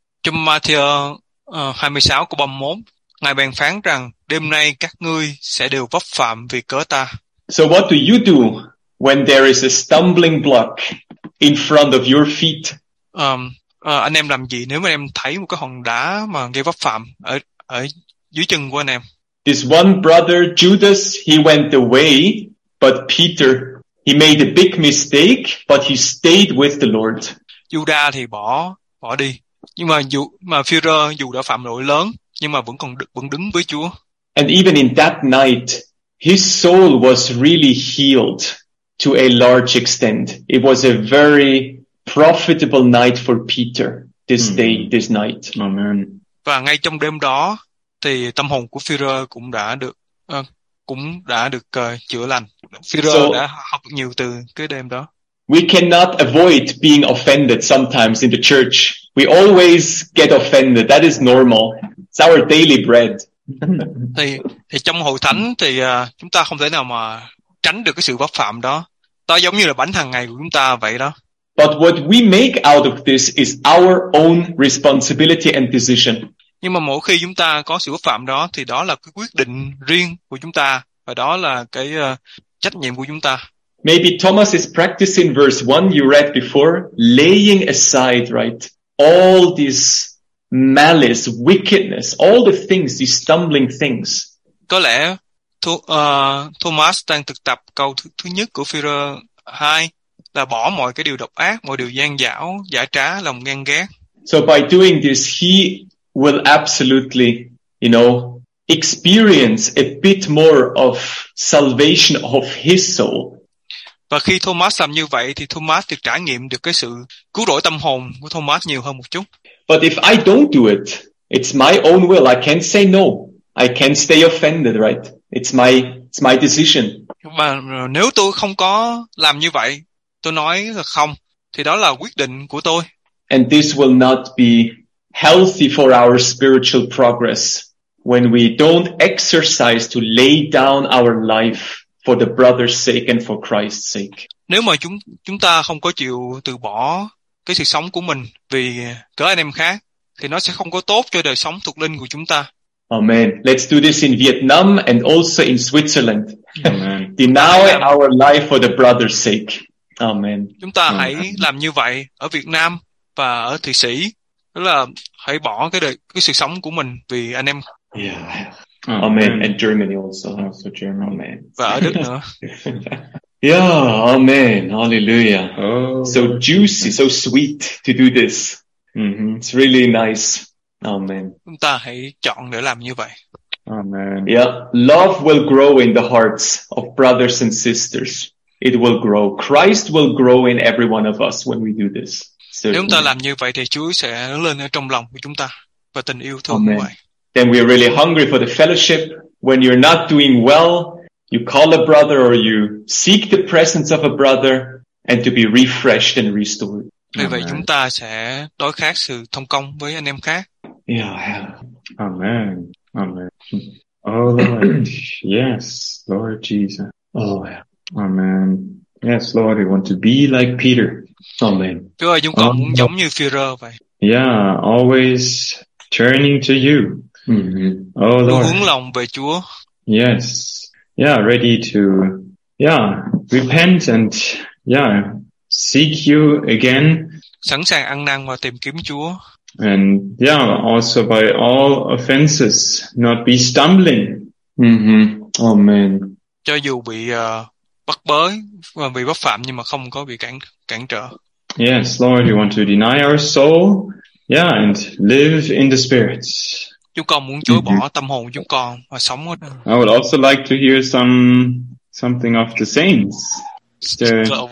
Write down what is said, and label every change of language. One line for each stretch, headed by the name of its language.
Vietnamese: Trong Matthew 26 câu 31, Ngài bèn phán rằng đêm nay các ngươi sẽ đều vấp phạm vì cớ ta.
English: So what do you do when there is a stumbling block in front of your feet?
Vietnamese: Anh em làm gì nếu mà em thấy một cái hòn đá mà gây vấp phạm ở dưới chân của anh em?
English: This one brother Judas, he went away, but Peter, he made a big mistake, but he stayed with the Lord.
Vietnamese: Judas thì bỏ đi. Nhưng mà Peter dù đã phạm lỗi lớn nhưng mà vẫn đứng với Chúa.
English: And even in that night, his soul was really healed to a large extent. It was a very profitable night for Peter this day, this night. Amen.
Vietnamese: Và ngay trong đêm đó thì tâm hồn của Peter cũng đã được chữa lành. Peter so, đã học nhiều từ cái đêm đó.
English: We cannot avoid being offended sometimes in the church. We always get offended. That is normal. It's our daily bread.
Vietnamese: Thì trong hội thánh thì chúng ta không thể nào mà tránh được cái sự vấp phạm đó. Đó giống như là bánh hàng ngày của chúng ta vậy đó.
English: But what we make out of this is our own responsibility and decision.
Vietnamese: Nhưng mà mỗi khi chúng ta có sự vấp phạm đó thì đó là cái quyết định riêng của chúng ta và đó là cái trách nhiệm của chúng ta.
English: Maybe Thomas is practicing verse 1 you read before, laying aside, right, all this malice, wickedness, all the things, these stumbling things.
Vietnamese: Có lẽ Thomas đang thực tập câu thứ nhất của Phi-rơ 2 là bỏ mọi cái điều độc ác, mọi điều gian dảo, giả trá, lòng ghen ghét.
English: So by doing this, he will absolutely, you know, experience a bit more of salvation of his soul.
Vietnamese: Và khi Thomas làm như vậy thì Thomas được trải nghiệm được cái sự cứu rỗi tâm hồn của Thomas nhiều hơn một chút.
English: But if I don't do it, it's my own will. I can't say no. I can't stay offended, right? It's my decision.
Vietnamese: Và nếu tôi không có làm như vậy, tôi nói là không, thì đó là quyết định của tôi.
English: And this will not be healthy for our spiritual progress when we don't exercise to lay down our life for the brother's sake and for Christ's sake.
Vietnamese: Nếu mà chúng ta không có chịu từ bỏ cái sự sống của mình vì cỡ anh em khác, thì nó sẽ không có tốt cho đời sống thuộc linh của chúng ta.
English: Amen. Let's do this in Vietnam and also in Switzerland. Amen. Deny our life for the brother's sake. Amen.
Vietnamese: Chúng ta hãy làm như vậy ở Việt Nam và ở Thụy Sĩ. Đó là hãy bỏ cái sự sống của mình vì anh em.
English: Yeah. Amen. And Germany also. Also Germany. Amen.
Vietnamese: Và ở Đức nữa.
English: Yeah, amen, hallelujah. Oh. So juicy, so sweet to do this. Mm-hmm. It's really nice. Amen.
Vietnamese: Chúng ta hãy chọn để làm như vậy.
English: Amen. Yeah, love will grow in the hearts of brothers and sisters. It will grow. Christ will grow in every one of us when we do this. Certainly.
Vietnamese: Nếu chúng ta làm như vậy thì Chúa sẽ lên ở trong lòng của chúng ta và tình yêu thương của Ngài.
English: Then we are really hungry for the fellowship. When you're not doing well, you call a brother or you seek the presence of a brother and to be refreshed and restored.
Vietnamese: Vì vậy chúng ta sẽ đối khác sự thông công với anh em khác.
English: Yeah. Amen. Amen. Oh Lord. Yes, Lord Jesus. Oh yeah. Amen. Yes, Lord, we want to be like Peter. Amen.
Vietnamese: Chúa ơi, chúng con cũng giống như Phi-rơ vậy.
English: Yeah, always turning to you. Mm-hmm. Oh Lord.
Vietnamese: Hướng lòng về Chúa.
English: Yes. Yeah, ready to, repent and, seek you again.
Vietnamese: Sẵn sàng ăn năn và tìm kiếm Chúa.
English: And, also by all offenses, not be stumbling. Mm-hmm. Amen.
Vietnamese: Cho dù bị bắt bớ và bị vấp phạm nhưng mà không có bị cản trở.
English: Yes, Lord, you want to deny our soul, and live in the Spirit.
Vietnamese: Chúng con muốn chối bỏ tâm hồn chúng con và sống ở đây.
English: I would also like to hear something of the saints.